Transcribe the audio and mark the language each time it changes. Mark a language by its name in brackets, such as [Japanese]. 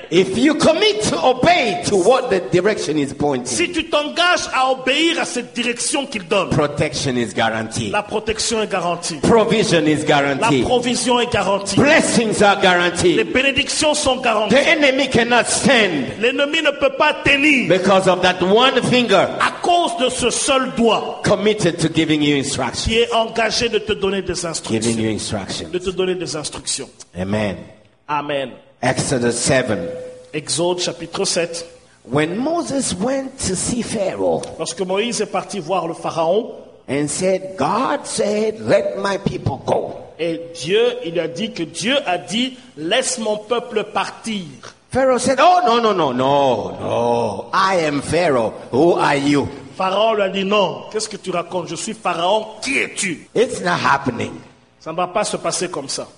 [English] If you commit to obey to what the direction is pointing. [French] Si tu t'engages à obéir à cette direction qu'il donne. [English] Protection is guaranteed. [French] La protection est garantie. [English] Provision is guaranteed. [French] La provision est garantie. [English] Blessings are guaranteed. [French] Les bénédictions sont garanties. [English] The enemy cannot stand. [French] L'ennemi ne peut pas tenir. [English] Because of that one finger. [French] À cause de ce seul doigt. [English] Committed to giving you instructions. [French] Qui est engagé de te donner des instructions. [English] Giving you instructions. [French] De te donner des instructions. [English] Amen. [French] Amen. [English] Exodus 7. [French] Exode chapitre 7. [English] When Moses went to see Pharaoh. [French] Lorsque Moïse est parti voir le pharaon. [English] And said, God said, let my people go. [French] Et Dieu, il a dit que Dieu a dit, laisse mon peuple partir. [English] Pharaoh said, oh no no no no no, I am Pharaoh. Who are you? [French] Pharaon lui a dit non. Qu'est-ce que tu racontes? Je suis Pharaon. Qui es-tu? [English] It's not happening. [French] Ça ne va pas se passer comme ça.